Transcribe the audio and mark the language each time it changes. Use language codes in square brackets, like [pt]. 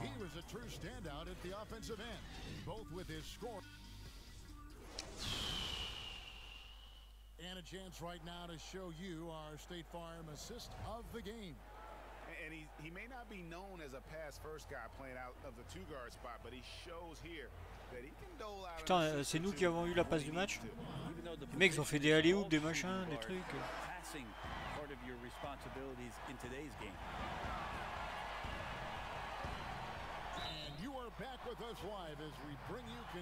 [en] He was a true standout at the offensive end, both with his score. a chance right now to show you our State Farm assist of the game. And he may not be known as a pass first guy playing out of the two guard spot, but he shows here that he can dole out. [fr] Putain, c'est nous qui avons eu la passe du match. Les mecs ont fait des alley-oops, des machins, des trucs. [en] Passing part of your responsibilities in today's game. And you are back with us live as we bring you